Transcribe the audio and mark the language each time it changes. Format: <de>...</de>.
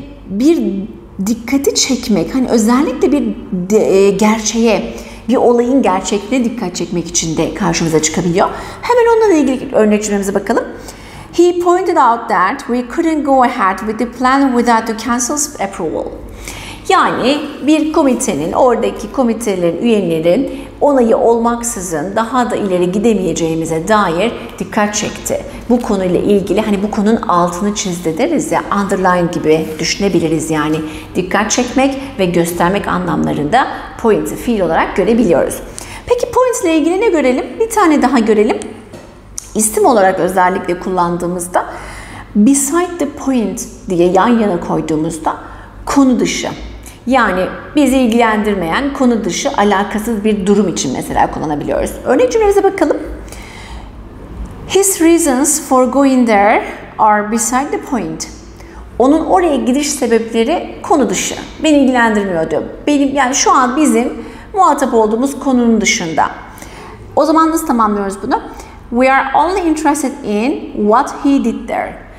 <tr>Bir dikkati çekmek, hani özellikle bir gerçeğe, bir olayın gerçekliğine dikkat çekmek için de karşımıza çıkabiliyor. Hemen onunla ilgili örnek cümlemize bakalım.</tr> <en>He pointed out that we couldn't go ahead with the plan without the council's approval.</en> <tr>Yani bir komitenin, oradaki komitelerin, üyelerin onayı olmaksızın daha da ileri gidemeyeceğimize dair dikkat çekti. Bu konuyla ilgili hani bu konunun altını çizdi deriz ya, underline gibi düşünebiliriz yani. Dikkat çekmek ve göstermek anlamlarında point'i fiil olarak görebiliyoruz. Peki point ile ilgili ne görelim? Bir tane daha görelim. İsim olarak özellikle kullandığımızda</tr> <en>beside the point</en> <tr>diye yan yana koyduğumuzda konu dışı. Yani bizi ilgilendirmeyen, konu dışı, alakasız bir durum için mesela kullanabiliyoruz. Örnek cümlemize bakalım.</tr> <en>His reasons for going there are beside the point.</en> <tr>Onun oraya gidiş sebepleri konu dışı. Beni ilgilendirmiyor diyor. Yani şu an bizim muhatap olduğumuz konunun dışında. O zaman nasıl tamamlıyoruz bunu?</tr> <en>We are only interested in what he did there.</en>